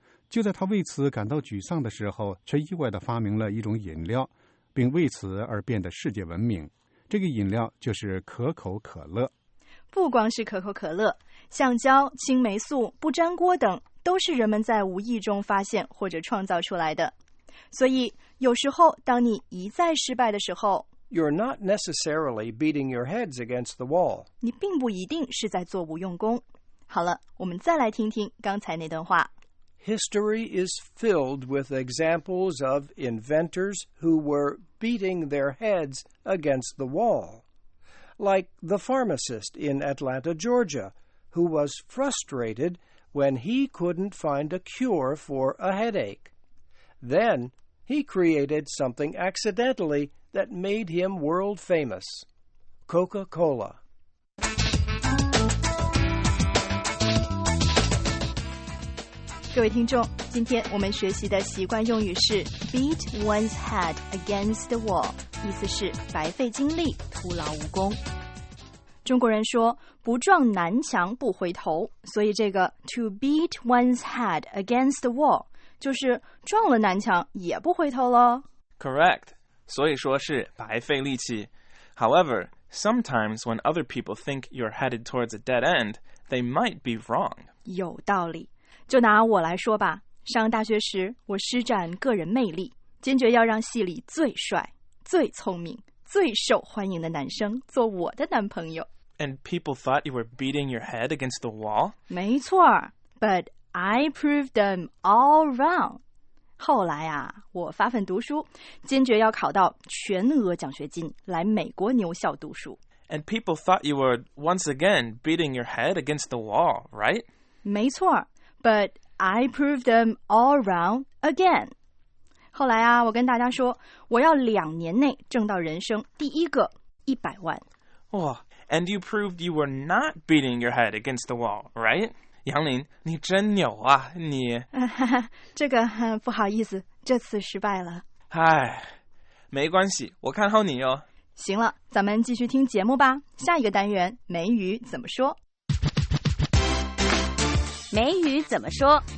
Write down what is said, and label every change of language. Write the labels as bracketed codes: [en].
[zh] 就在他为此感到沮丧的时候，却意外地发明了一种饮料，并为此而变得世界闻名。这个饮料就是可口可乐。不光是可口可乐，橡胶、青霉素、不粘锅等都是人们在无意中发现或者创造出来的。所以，有时候当你一再失败的时候， [en] You're not necessarily beating your heads against the wall. [zh] 你并不一定是在做无用功。好了，我们再来听听刚才那段话。 [en] History is filled with examples of inventors who were beating their heads against the wall. Like the pharmacist in Atlanta, Georgia, who was frustrated when he couldn't find a cure for a headache. Then, he created something accidentally that made him world famous. Coca-Cola. [zh] 各位听众，今天我们学习的习惯用语是 [en] beat one's head against the wall, [zh] 意思是白费精力，徒劳无功。中国人说不撞南墙不回头，所以这个 [en] to beat one's head against the wall [zh] 就是撞了南墙也不回头咯。 [en] Correct, [zh] 所以说是白费力气。 [en] However, sometimes when other people think you're headed towards a dead end, they might be wrong. [zh] 有道理。就拿我来说吧，上大学时我施展个人魅力，坚决要让系里最帅、最聪明、最受欢迎的男生做我的男朋友。 [en] And people thought you were beating your head against the wall? [zh] 没错 [en] ,but I proved them all wrong. [zh] 后来啊，我发奋读书，坚决要考到全额奖学金，来美国牛校读书。 [en] And people thought you were once again beating your head against the wall, right? [zh] 没错 [en] ,but I proved them all wrong again. [zh] 后来啊，我跟大家说，我要两年内挣到人生第一个100万。 [en] 哇、and you proved you were not beating your head against the wall, right? [zh] 杨林，你真牛啊，你。这个不好意思，这次失败了。唉，没关系，我看好你哦。行了，咱们继续听节目吧。下一个单元，梅雨怎么说？梅雨怎么说